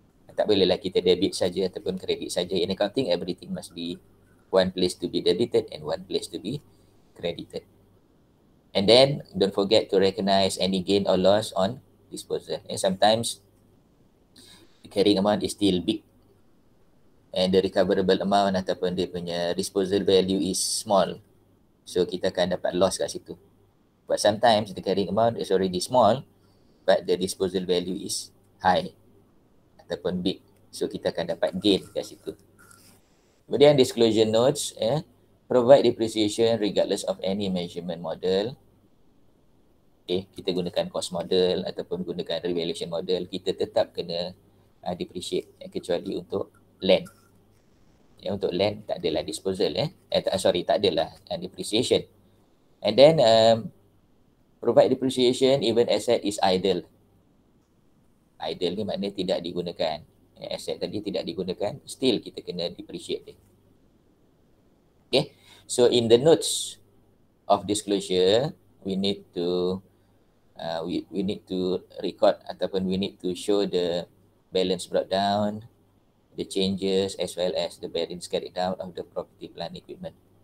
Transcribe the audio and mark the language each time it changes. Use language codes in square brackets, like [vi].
[ms] Tak bolehlah kita debit saja ataupun kredit saja. [en] In accounting, everything must be one place to be debited and one place to be credited. And then don't forget to recognize any gain or loss on disposal. And sometimes the carrying amount is still big and the recoverable amount [ms] ataupun dia punya [en] disposal value is small. [ms] So kita akan dapat loss kat situ. [en] But sometimes the carrying amount is already small but the disposal value is high [ms] ataupun [en] big. [ms] So kita akan dapat gain kat situ. Kemudian [en] disclosure notes, yeah, provide depreciation regardless of any measurement model. [ms] Okay, kita gunakan cost model ataupun gunakan revaluation model, kita tetap kena depreciate, kecuali untuk land. Ya, untuk land tak adalah disposal, tak adalah depreciation. [en] And then provide depreciation even asset is idle. [ms] Idle ni maknanya tidak digunakan. Asset tadi tidak digunakan, [en] still [ms] kita kena depreciate dia. [en] Okay, so in the notes of disclosure, we need to we need to record [ms] ataupun [en] we need to show the balance brought down, the changes as well as the balance carried out of the property plant equipment.